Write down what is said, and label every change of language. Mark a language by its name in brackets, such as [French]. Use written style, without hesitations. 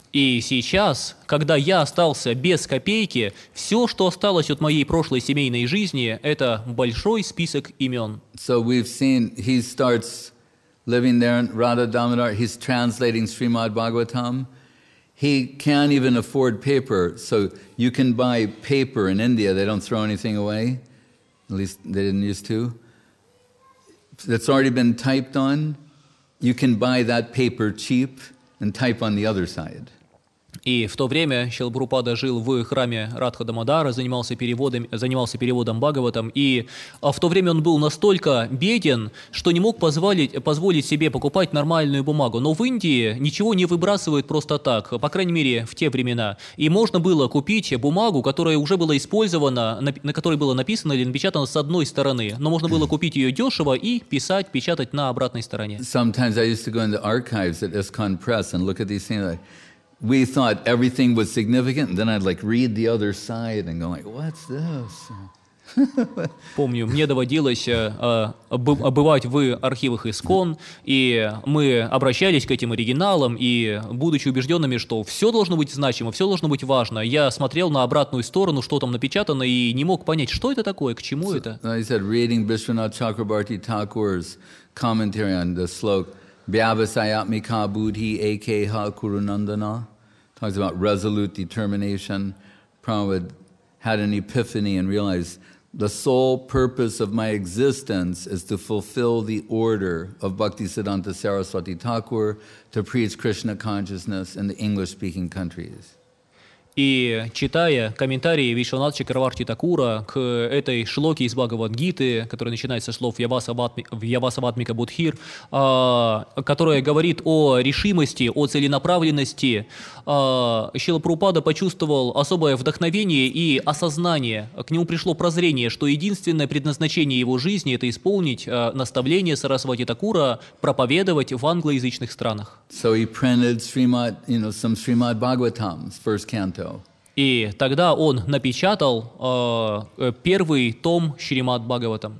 [Russian] И сейчас, когда я остался без копейки, все, что осталось от моей прошлой семейной жизни, это большой список имен. [English] So we've seen, he starts living there in Radha Damodar, he's translating Srimad Bhagavatam. He can't even afford paper, so you can buy paper in India, they don't throw anything away, at least they didn't used to. That's already been typed on, you can buy that paper cheap and type on the other side. [Russian] И в то время Шрила Прабхупада жил в храме Радха Дамодара, занимался переводом Бхагаватам, и в то время он был настолько беден, что не мог позволить себе покупать нормальную бумагу. Но в Индии ничего не выбрасывают просто так, по крайней мере, в те времена. И можно было купить бумагу, которая уже была использована, на которой было написано или напечатано с одной стороны, но можно было купить ее дешево и печатать на обратной стороне. [English] Sometimes I used to go in the archives at ISKCON Press and look at these things like... We thought everything was significant, and then I'd like read the other side and go like, "What's this?" [Russian] Помню, мне доводилось бывать в архивах ИСККОН, и мы обращались к этим оригиналам, и, будучи убежденными, что все должно быть значимо, все должно быть важно, я смотрел на обратную сторону, что там напечатано, и не мог понять, что это такое, к чему это. [English] So, like I said, reading Bishwanath Chakrabarti Thakur's commentary on the slok. [Sanskrit] Bhavasayatmika buddhi akeha kurunandana [English] talks about resolute determination. Prabhupada had an epiphany and realized the sole purpose of my existence is to fulfill the order of Bhaktisiddhanta Saraswati Thakur to preach Krishna consciousness in the English-speaking countries. [Russian] И читая комментарии Вишванатха Чакраварти Такура к этой шлоке из Бхагавад-гиты, которая начинается со слов «Явасаватмика Будхир», которая говорит о решимости, о целенаправленности, Шрила Прабхупада почувствовал особое вдохновение и осознание. К нему пришло прозрение, что единственное предназначение его жизни – это исполнить наставление Сарасвати Такура проповедовать в англоязычных странах. [English] So he printed Srimad, some Srimad Bhagavatam's first canto. [Russian] И тогда он напечатал первый том Шримад Бхагаватам.